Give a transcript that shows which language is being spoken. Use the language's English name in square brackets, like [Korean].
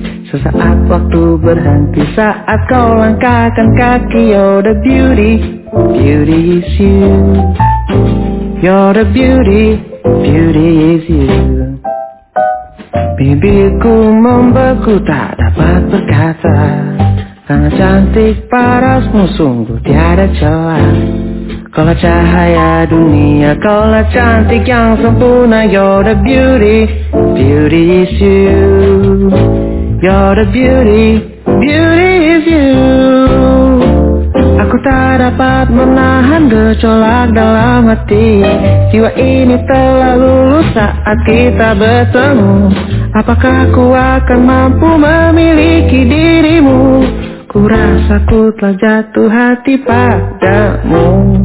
[Indonesian] Sesaat waktu berhenti saat kau langkahkan kaki. [English] You're the beauty, beauty is you. You're the beauty, beauty is you. [Indonesian] Bibirku membeku tak dapat berkata. Sangat cantik parasmu sungguh tiada celah. Kau lah cahaya dunia, kau lah cantik yang sempurna. [English] You're the beauty, beauty is you. You're the beauty, beauty is you. [Indonesian] Aku tak dapat menahan gejolak dalam hati. Jiwa ini telah luluh saat kita bertemu. Apakah ku akan mampu memiliki dirimu? Ku rasa ku telah jatuh hati padamu.